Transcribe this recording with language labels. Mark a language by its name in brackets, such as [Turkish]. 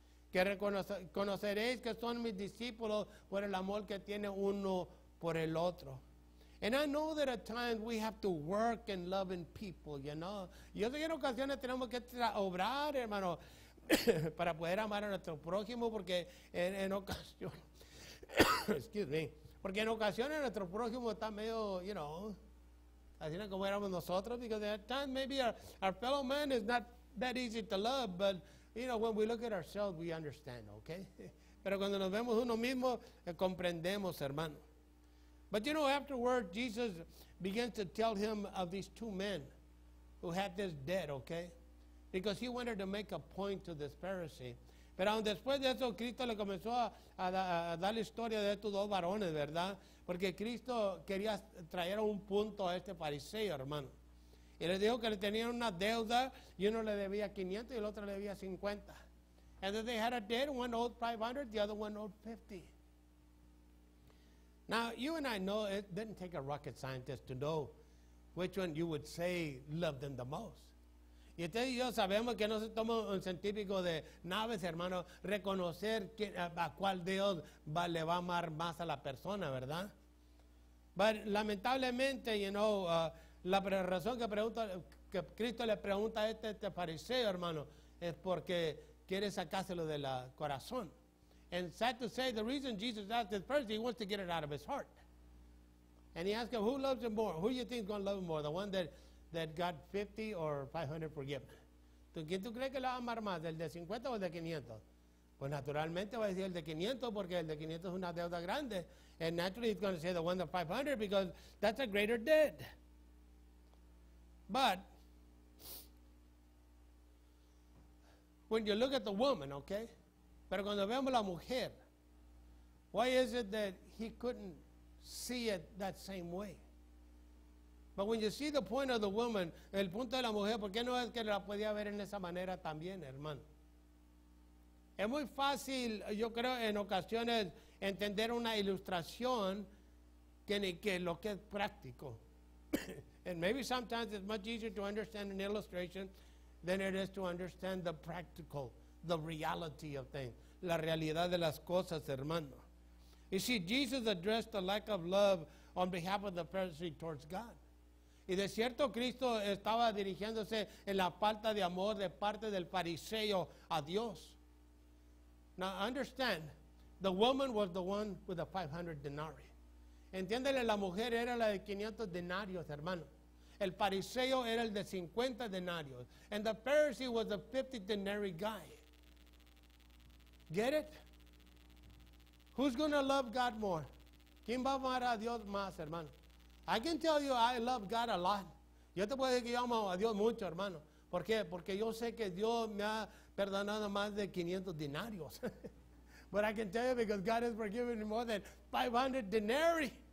[Spanish] Que conoceréis que son mis discípulos por el amor que tiene uno por el otro. [English] And I know that at times we have to work in loving people, you know. [Spanish] Yo sé que en ocasiones tenemos que obrar, hermano, para poder amar a nuestro prójimo, porque en ocasiones, [English] excuse me, [Spanish] porque en ocasiones nuestro prójimo está medio, you know, así como éramos nosotros, [English] because at times maybe our fellow man is not that easy to love, but, you know, when we look at ourselves, we understand, okay? [Spanish] Pero cuando nos vemos uno mismo, comprendemos, hermano. [English] But, you know, afterward, Jesus begins to tell him of these two men who had this debt, okay? Because he wanted to make a point to this Pharisee. [Spanish] Pero aún después de eso, Cristo le comenzó a dar la historia de estos dos varones, ¿verdad? Porque Cristo quería traer un punto a este fariseo, hermano. Y les dijo que le tenían una deuda, y uno le debía 500 y el otro le debía 50. [English] And then they had a debt, one owed 500, the other one owed 50. Now, you and I know it didn't take a rocket scientist to know which one you would say loved them the most. [Spanish] Y usted y yo sabemos que no se toma un científico de naves, hermano, reconocer a cuál Dios le va a amar más a la persona, ¿verdad? But lamentablemente, you know, la razón que pregunta, que Cristo le pregunta a este fariseo, hermano, es porque quiere sacárselo del corazón. [English] And sad to say, the reason Jesus asked this person, he wants to get it out of his heart. And he asked him, who loves him more? Who do you think is going to love him more? The one that got 50 or 500 forgiven. [Spanish] ¿Quién tú crees que lo va a amar más, el de 50 o el de 500? Pues naturalmente va a decir el de 500 porque el de 500 es una deuda grande. [English] And naturally he's going to say the one of 500 because that's a greater debt. But when you look at the woman, okay? [Spanish] Pero cuando vemos la mujer, [English] why is it that he couldn't see it that same way? But when you see the point of the woman, [Spanish] el punto de la mujer, ¿por qué no es que la podía ver en esa manera también, hermano? Es muy fácil, yo creo, en ocasiones, entender una ilustración que lo que es práctico. [English] And maybe sometimes it's much easier to understand an illustration than it is to understand the practical, the reality of things. [Spanish] La realidad de las cosas, hermano. [English] You see, Jesus addressed the lack of love on behalf of the Pharisee towards God. [Spanish] Y de cierto, Cristo estaba dirigiéndose en la falta de amor de parte del fariseo a Dios. [English] Now, understand, the woman was the one with the 500 denarii. [Spanish] Entiéndele, la mujer era la de 500 denarios, hermano. El fariseo era el de 50 denarios. [English] And the Pharisee was the 50 denarii guy. Get it? Who's going to love God more? [Spanish] ¿Quién va a amar a Dios más, hermano? [English] I can tell you I love God a lot. [Spanish] Yo te puedo decir que yo amo a Dios mucho, hermano. ¿Por qué? Porque yo sé que Dios me ha perdonado más de 500 denarios. [English] But I can tell you because God has forgiven me more than 500 denarii.